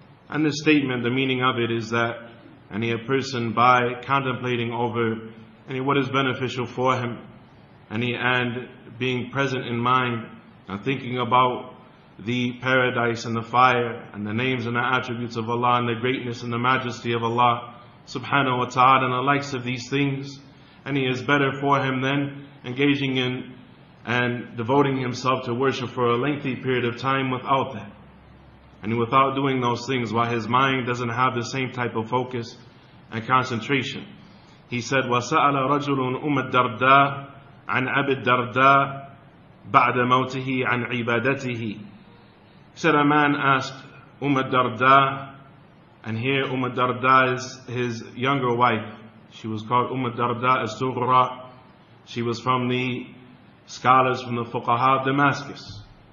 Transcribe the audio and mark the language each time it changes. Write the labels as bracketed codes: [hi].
[en] And this statement, the meaning of it is that a person, by contemplating over what is beneficial for him and being present in mind and thinking about the paradise and the fire and the names and the attributes of Allah and the greatness and the majesty of Allah subhanahu wa ta'ala and the likes of these things, and he is better for him than engaging in and devoting himself to worship for a lengthy period of time without that, and without doing those things, while his mind doesn't have the same type of focus and concentration. He said, [ar] وَسَأَلَ رَجُلٌ أُمَّ الدَّرْدَى عَنْ عَبِدْ دَرْدَى بَعْدَ مَوْتِهِ عَنْ عِبَادَتِهِ. [en] He said, a man asked Umar Darda, and here Umar Darda is his younger wife. She was called Umar Darda as-Sughra. She was from the scholars, from the fuqaha of Damascus.